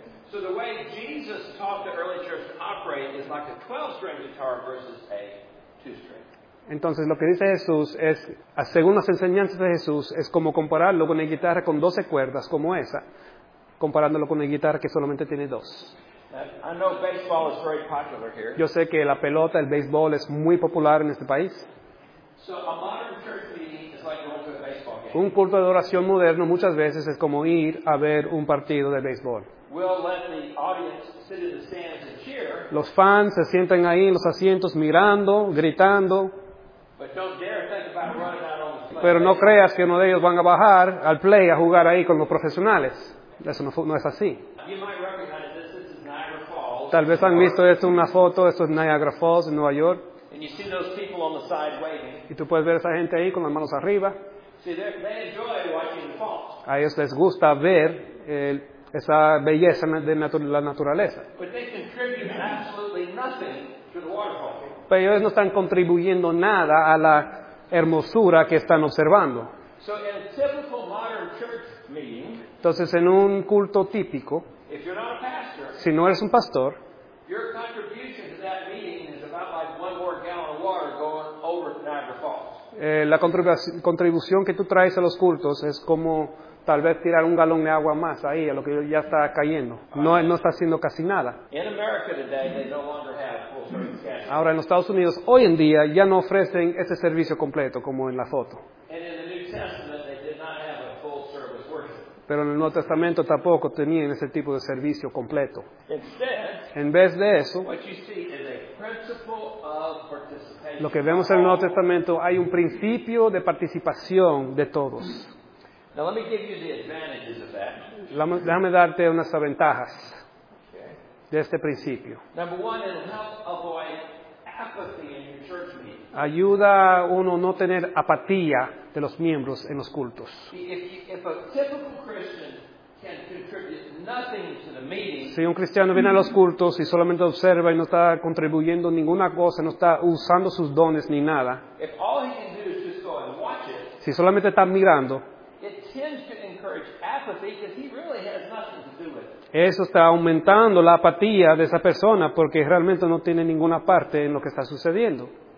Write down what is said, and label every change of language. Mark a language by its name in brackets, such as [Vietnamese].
[English] So the way Jesus taught the early church to operate is like a 12-string guitar versus a 2-string. [Spanish] Entonces, lo que dice Jesús es, según las enseñanzas de Jesús, es como compararlo con una guitarra con 12 cuerdas, como esa, comparándolo con una guitarra que solamente tiene dos. [English] I know baseball is very popular here. [Spanish] Yo sé que la pelota, el béisbol, es muy popular en este país. [English] So a modern church meeting is like going to a baseball game. [Spanish] Un culto de adoración moderno muchas veces es como ir a ver un partido de béisbol. [English] We'll let the audience sit in the stands and cheer. [Spanish] Los fans se sienten ahí en los asientos mirando, gritando. [English] But don't dare think about running out on the play. [Spanish] Pero no creas que uno de ellos van a bajar al play a jugar ahí con los profesionales. Eso no es así. [English] You might recognize this. This is Niagara Falls. [Spanish] Tal vez han visto esto en una foto. Esto es Niagara Falls en Nueva York. [English] And you see those people on the side waving. [Spanish] Y tú puedes ver a esa gente ahí con las manos arriba. [English] See, they enjoy watching the falls. [Spanish] A ellos les gusta ver esa belleza de la naturaleza. [English] But they contribute absolutely nothing to the waterfall. [Spanish] Pero ellos no están contribuyendo nada a la hermosura que están observando. [English] So in a typical modern church meeting, [Spanish] entonces, en un culto típico, [English] if you're not a pastor, [Spanish] si no eres un pastor, [English] your contribution to that meeting is about like one more gallon of water going over to Niagara Falls. [Spanish] La contribución que tú traes a los cultos es como tal vez tirar un galón de agua más ahí a lo que ya está cayendo. No está haciendo casi nada. [English] In America today, they no longer have full service cash. [Spanish] Ahora, en los Estados Unidos, hoy en día, ya no ofrecen ese servicio completo como en la foto. [English] And in the New Testament, they did not have a full service worship. [Spanish] Pero en el Nuevo Testamento tampoco tenían ese tipo de servicio completo. [English] Instead, [Spanish] en vez de eso, [English] what you see is a principle of participation. [Spanish] Lo que vemos en el Nuevo Testamento, hay un principio de participación de todos. [English] Now let me give you the advantages of that. [Spanish] Déjame darte unas ventajas de este principio. [English] Number one, it'll help avoid apathy in your church meeting. [Spanish] Ayuda a uno no tener apatía de los miembros en los cultos. [English] If a typical Christian can contribute nothing to the meeting, [Spanish] si un cristiano viene a los cultos y solamente observa y no está contribuyendo ninguna cosa, no está usando sus dones ni nada, [English] if all he can do is just go and watch it, [Spanish] si solamente está mirando, [English] it tends to encourage apathy because he really has nothing to do with it. [Spanish] Eso está aumentando la apatía de esa persona porque realmente no tiene ninguna parte en lo que está sucediendo.